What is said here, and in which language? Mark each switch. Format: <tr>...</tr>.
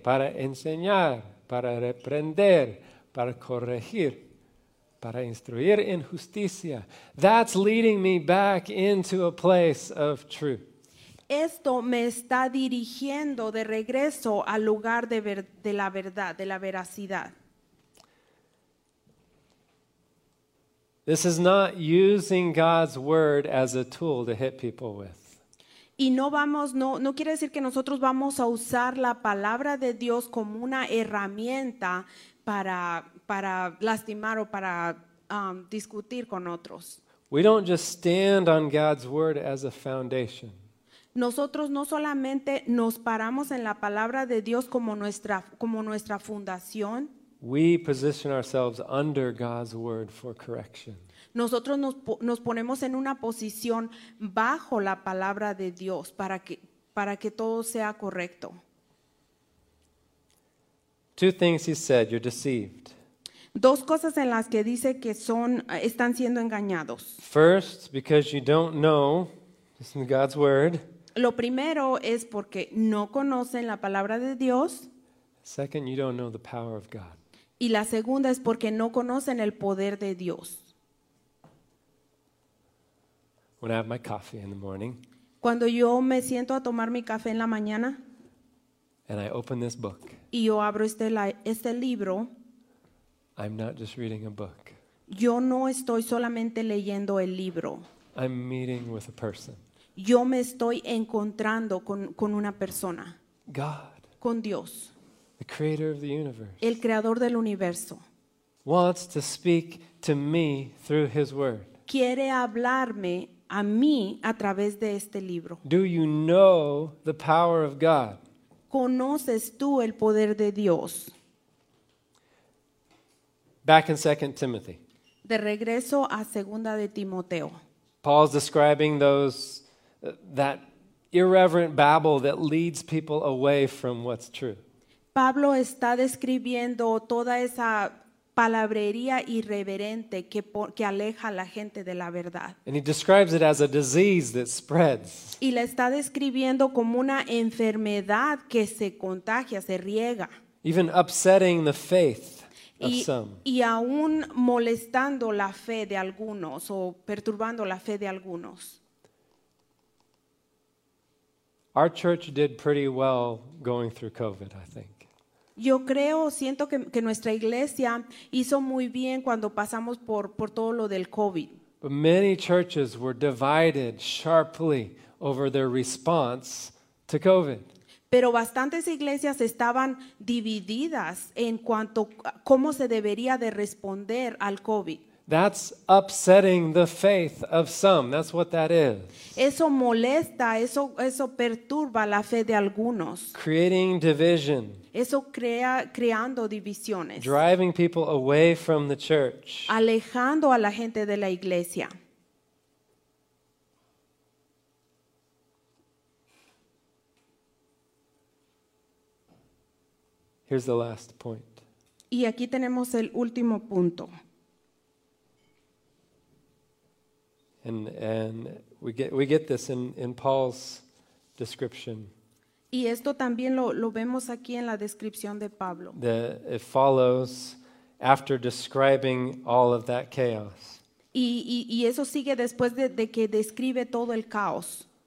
<es>Para enseñar, para reprender, para corregir, para instruir en justicia.</es> <en>That's leading me back into a place of truth.</en> <es>Esto me está dirigiendo de regreso al lugar de la verdad, de la veracidad.</es> <en>This is not using God's word as a tool to hit people with.</en> <es>Y no quiere decir que nosotros vamos a usar la palabra de Dios como una herramienta para lastimar o para discutir con otros.</es> <en>We don't just stand on God's word as a foundation.</en> <es>Nosotros no solamente nos paramos en la palabra de Dios como nuestra fundación.</es> <en>We position ourselves under God's word for correction.</en> <es>Nosotros nos ponemos en una posición bajo la palabra de Dios para que todo sea correcto.</es> <en>Two things he said, you're deceived.</en> <es>Dos cosas en las que dice que están siendo engañados.</es> <en>First, because you don't know, it's in God's word.</en> <es>Lo primero es porque no conocen la palabra de Dios.</es> <en>Second, you don't know the power of God.</en> <es>Y la segunda es porque no conocen el poder de Dios.</es> <en>When I have my coffee in the morning,</en> <es>cuando yo me siento a tomar mi café en la mañana,</es> <en>and I open this book,</en> <es>y yo abro este libro,</es> <en>I'm not just reading a book.</en> <es>Yo no estoy solamente leyendo el libro.</es> <en>I'm meeting with a person.</en> <es>Yo me estoy encontrando con una persona.</es> <en>God.</en> <es>Con Dios.</es> <en>The creator of the universe.</en> <es>El creador del universo.</es> <en>Wants to speak to me through his word.</en> <es>Quiere hablarme a mí a través de este libro.</es> <en>Do you know the power of God?</en> <es>¿Conoces tú el poder de Dios?</es> <en>Back in 2 Timothy.</en> <es>De regreso a segunda de Timoteo.</es> <en>Paul's describing that irreverent babble that leads people away from what's true.</en> <es>Pablo está describiendo toda esa palabrería irreverente que aleja a la gente de la verdad.</es> <en>And he describes it as a disease that spreads.</en> <es>Y la está describiendo como una enfermedad que se contagia, se riega.</es> <en>Even upsetting the faith of some.</en> <es>Y aún molestando la fe de algunos o perturbando la fe de algunos.</es> <en>Our church did pretty well going through COVID, I think.</en> <es>Yo creo, siento que nuestra iglesia hizo muy bien cuando pasamos por todo lo del COVID.</es> <en>But many churches were divided sharply over their response to COVID.</en> <es>Pero bastantes iglesias estaban divididas en cuanto a cómo se debería de responder al COVID.</es> <en>That's upsetting the faith of some. That's what that is.</en> <es>Eso molesta, eso perturba la fe de algunos.</es> <en>Creating division.</en> <es>Eso creando divisiones.</es> <en>Driving people away from the church.</en> <es>Alejando a la gente de la iglesia.</es> <en>Here's the last point.</en> <es>Y aquí tenemos el último punto.</es> <en>And we get this in Paul's description.</en> <es>Y esto también lo vemos aquí en la descripción de Pablo.</es> <en>It follows after describing all of that chaos.</en> <es>Y eso sigue después de que describe todo el caos.</es>